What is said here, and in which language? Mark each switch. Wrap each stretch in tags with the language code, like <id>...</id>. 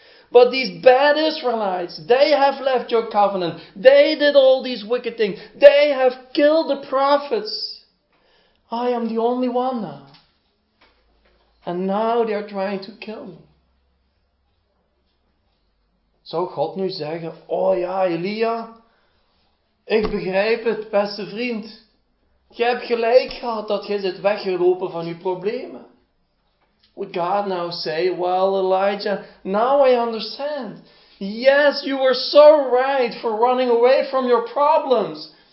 <en>But these bad Israelites, they have left your covenant. They did all these wicked things. They have killed the prophets. I am the only one now. And now they are trying to kill me.</en> <nl>Zou God nu zeggen, oh ja, Elia, ik begrijp het, beste vriend. Je hebt gelijk gehad dat je zit weggelopen van je problemen.</nl> <en>Would God now say, well, Elijah, now I understand. Yes, you were so right for running away from your problems.</en>